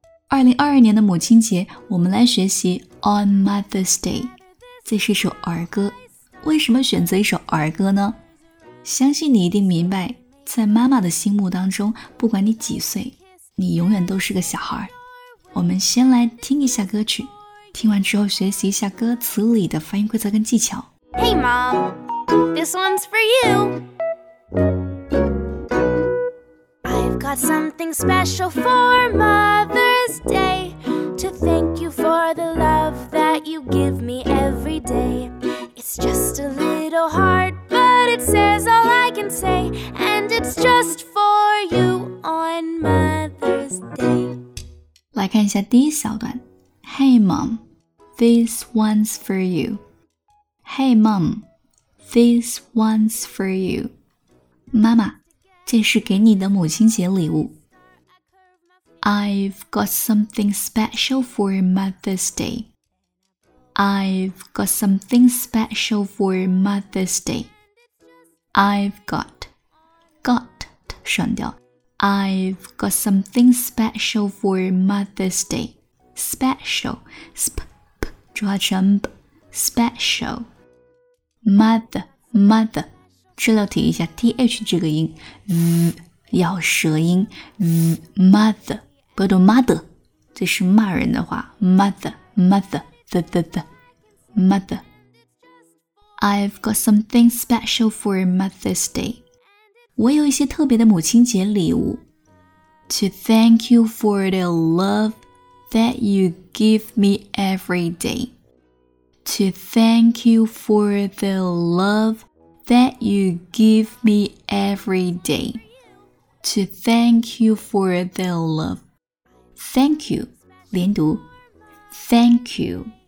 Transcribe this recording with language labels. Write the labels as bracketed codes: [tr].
[zh] 2022年的母亲节，我们来学习 On Mother's Day， 这是一首儿歌。为什么选择一首儿歌呢？相信你一定明白，在妈妈的心目当中，不管你几岁，你永远都是个小孩。我们先来听一下歌曲，听完之后学习一下歌词里的发音规则跟技巧。 [en] Hey Mom, this one's for you. I've got something special for Mother's Day, to thank you for the love that you give me every day. It's just a little heart, but it says all I can say, and it's just for you on Mother's Day. [zh] 来看一下第一小段。 [en] Hey mom, this one's for you. Hey mom, this one's for you. [zh] 妈妈，这是给你的母亲节礼物。 [en] I've got something special for Mother's Day. I've got something special for Mother's Day. I've got, got [zh] 省掉。 [en] I've got something special for Mother's Day. Special, sp, [zh] 主要全 [en] b, special. Mother, mother, [zh] 这里要提一下 [en] th [zh] 这个音 [en] ，v [zh] 咬舌音 [en] ，v mother, [zh] 不要读 [en] mother, [zh] 这是骂人的话 [en] ，mother, mother, the, the, the, mother. I've got something special for Mother's Day. [zh] 我有一些特别的母亲节礼物。 [en] To thank you for the love that you give me every day. To thank you for the love that you give me every day. To thank you for the love. Thank you, [zh] 连读。 [en] Thank you.